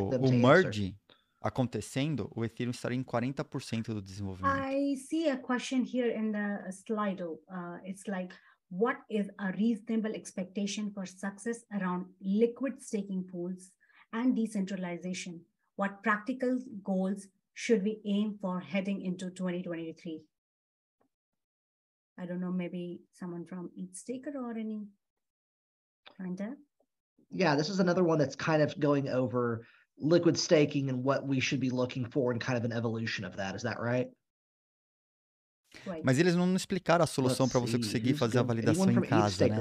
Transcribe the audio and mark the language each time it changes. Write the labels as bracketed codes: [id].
[pt] o merge acontecendo, o Ethereum estaria em 40% do desenvolvimento. [en] I see a question here in the Slido. It's like, what is a reasonable expectation for success around liquid staking pools? And decentralization, what practical goals should we aim for heading into 2023? I don't know, maybe someone from EthStaker or any kind of? Yeah, this is another one that's kind of going over liquid staking and what we should be looking for and kind of an evolution of that. Is that right? [pt] Mas eles não explicaram a solução para você conseguir fazer a validação em casa, né?